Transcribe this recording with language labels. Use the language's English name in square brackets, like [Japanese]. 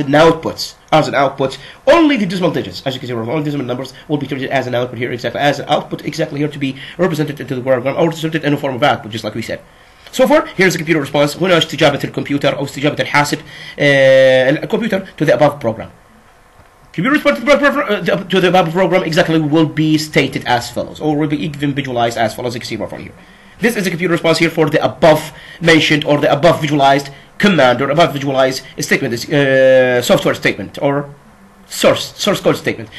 [English] Only the decimal digits will be treated exactly as an output. Only the decimal digits, as you can see, all decimal numbers will be treated as an output here, exactly as an output exactly here to be represented into the program or represented in a form of output, just like we said. So far, here's the computer response. [Arabic] هنا استجابة الكمبيوتر أو استجابة الحاسب الكمبيوتر [English] to the above program. Computer response to the above program exactly will be stated as follows, or will be even visualized as follows, as you can see from here. This is a computer response here for the above mentioned or the above visualized command or above visualized statement, software statement or source code statement.